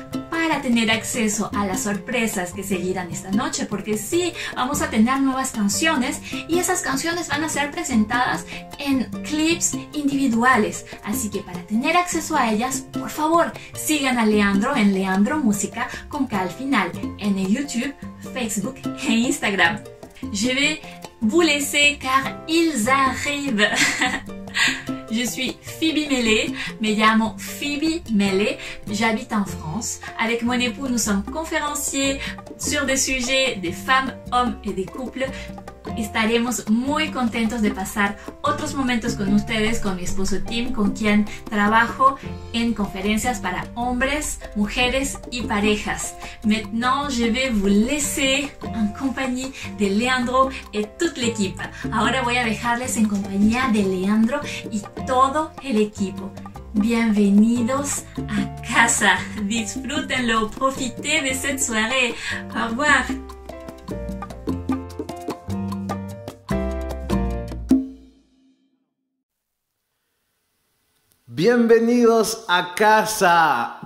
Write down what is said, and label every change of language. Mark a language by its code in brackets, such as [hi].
[es] Para tener acceso a las sorpresas que seguirán esta noche, porque sí, vamos a tener nuevas canciones y esas canciones van a ser presentadas en clips individuales. Así que para tener acceso a ellas, por favor, sigan a Leandro en Leandro Música con K al final, en YouTube, Facebook e Instagram. [fr] Je vais vous laisser car ils arrivent. Je suis Phoebe Mele, [es] me llamo Phoebe Mele, [fr] j'habite en France. Avec mon époux, nous sommes conférenciers sur des sujets des femmes, hommes et des couples. [es] Estaremos muy contentos de pasar otros momentos con ustedes, con mi esposo Tim, con quien trabajo en conferencias para hombres, mujeres y parejas. [fr] Maintenant, je vais vous laisser [es] en compañía de Leandro y toda la equipa. Ahora voy a dejarles en compañía de Leandro y todo el equipo. Bienvenidos a casa. Disfrútenlo, [fr] profitez de cette soirée. Au revoir. [es] Bienvenidos a casa!